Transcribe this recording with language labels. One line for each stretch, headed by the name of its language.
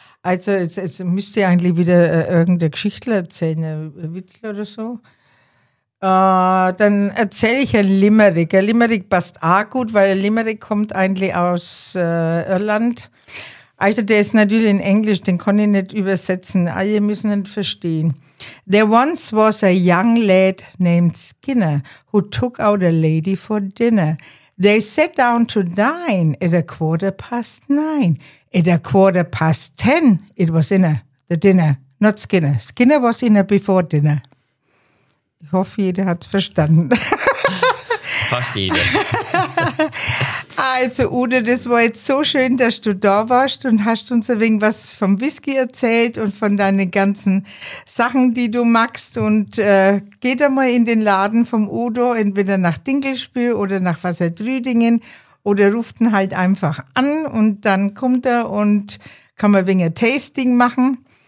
German: Also jetzt müsst ihr eigentlich wieder irgendeine Geschichte erzählen, einen Witz oder so. Dann erzähle ich ein Limerick. Ein Limerick passt auch gut, weil ein Limerick kommt eigentlich aus Irland. Also der ist natürlich in Englisch, den kann ich nicht übersetzen. Alle müssen ihn verstehen.
English: There once was a young lad named Skinner who took out a lady for dinner. They sat down to dine at 9:15. At 9:10, it was inner, the dinner, not Skinner. Skinner was inner before dinner.
German: Ich hoffe, jeder hat es verstanden. Fast jeder. Also Udo, das war jetzt so schön, dass du da warst und hast uns ein wenig was vom Whisky erzählt und von deinen ganzen Sachen, die du magst. Und geht einmal in den Laden vom Udo, entweder nach Dinkelspiel oder nach Wassertrüdingen oder ruft ihn halt einfach an und dann kommt er und kann man ein wenig ein Tasting machen.